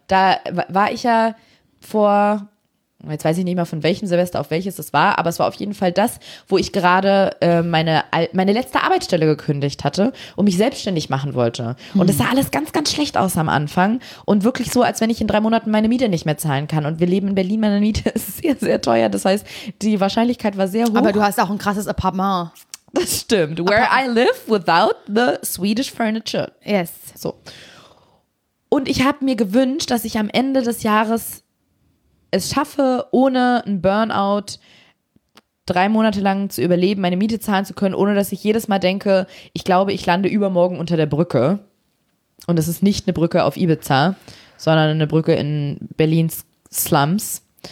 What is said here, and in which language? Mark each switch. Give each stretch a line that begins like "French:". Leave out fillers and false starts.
German: Da war ich ja vor, jetzt weiß ich nicht mehr von welchem Silvester auf welches es war, aber es war auf jeden Fall das, wo ich gerade meine letzte Arbeitsstelle gekündigt hatte und mich selbstständig machen wollte. Und es sah alles ganz, ganz schlecht aus am Anfang und wirklich so, als wenn ich in 3 Monaten meine Miete nicht mehr zahlen kann. Und wir leben in Berlin, meine Miete ist sehr, sehr teuer. Das heißt, die Wahrscheinlichkeit war sehr hoch. Aber du hast auch ein krasses Apartment. Das stimmt.
English: Where I live without the Swedish furniture. Yes. So.
German: Und ich habe mir gewünscht, dass ich am Ende des Jahres es schaffe, ohne einen Burnout 3 Monate lang zu überleben, meine Miete zahlen zu können, ohne dass ich jedes Mal denke, ich glaube, ich lande übermorgen unter der Brücke. Und es ist nicht eine Brücke auf Ibiza, sondern eine Brücke in Berlins Slums.